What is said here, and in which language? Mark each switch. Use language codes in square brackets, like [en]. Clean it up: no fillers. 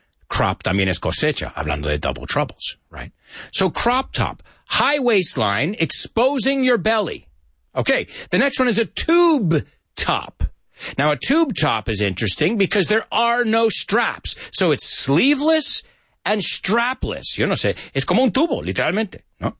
[es] Crop también es cosecha, hablando de [en] double troubles, right? So crop top, high waistline, exposing your belly. Okay, the next one is a tube top. Now, a tube top is interesting because there are no straps. So it's sleeveless and strapless. [es] Yo no sé, es como un tubo, literalmente, ¿no?